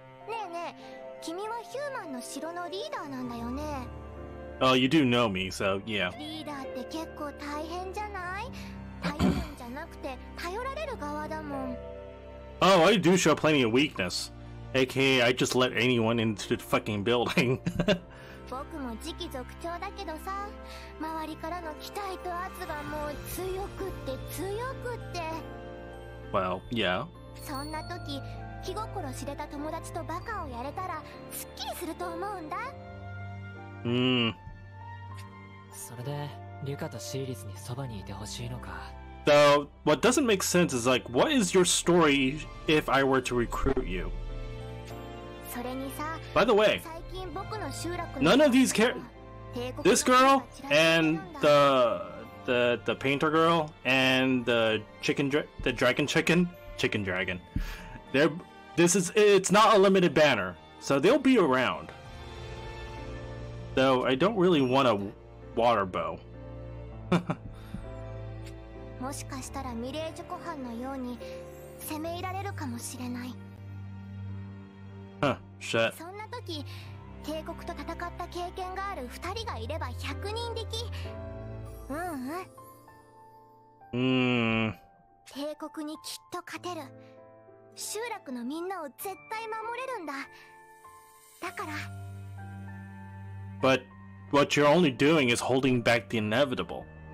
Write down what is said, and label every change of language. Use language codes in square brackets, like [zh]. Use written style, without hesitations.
[ja] ねえねえ、君はヒューマンの城のリーダーなんだよね。 [en] Oh, you do know me, so yeah. [ja] リーダーって結構大変じゃない？頼るんじゃなくて頼られる側だもん。 [en] Oh, I do show plenty of weakness. AKA, I just let anyone into the fucking building. [ja] 僕も次期続長だけどさ、周りからの期待と圧がもう強くって強くって。 [en] Well, yeah. [ja] そんな時、気心知れた友達とバカをやれたらすっきりすると思うんだ。うん。それで、リュカとシーリスにそばにいてほしいのか。 [en] Though, what doesn't make sense is like, what is your story if I were to recruit you? By the way, none of these this girl and the painter girl and the chicken dragon, it's not a limited banner, so they'll be around. Though, I don't really want a water bow. [ja] もしかしたらミレージュ湖畔のように攻め入られるかもしれない。そんな時、帝国と戦った経験がある二人がいれば百人力。うんうん。帝国にきっと勝てる。集落のみんなを絶対守れるんだ。だから。 [en] But what you're only doing is holding back the inevitable.